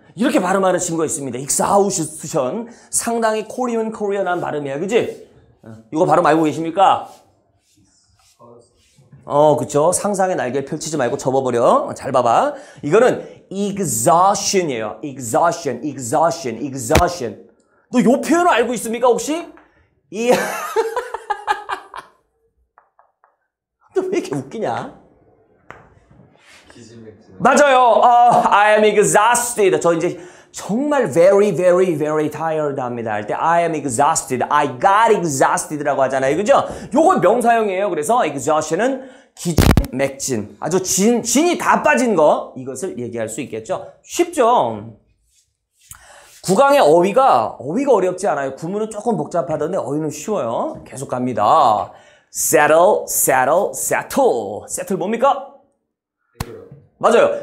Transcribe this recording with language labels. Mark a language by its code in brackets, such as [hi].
[ko] 이렇게 발음하는 친구가 있습니다. [en] Exhaustion. [ko] 상당히 코리안한 발음이야. 그지? 이거 발음 알고 계십니까? 그쵸. 상상의 날개를 펼치지 말고 접어버려. 잘 봐봐. 이거는 exhaustion이에요. [en] exhaustion, exhaustion, exhaustion. [ko] 너 요 표현을 알고 있습니까, 혹시? 이, 너 왜 이렇게 웃기냐? 맞아요. [en] I am exhausted. [ko] 저 이제 정말 [en] very, very, very tired [ko] 합니다. 할 때 [en] I am exhausted. I got exhausted [ko] 라고 하잖아요. 그죠? 요건 명사형이에요. 그래서 exhaustion은 기진, 맥진. 아주 진이 다 빠진 거. 이것을 얘기할 수 있겠죠? 쉽죠? 구강의 어휘가 어렵지 않아요. 구문은 조금 복잡하던데 어휘는 쉬워요. 계속 갑니다. settle, settle, settle. settle 뭡니까? 맞아요.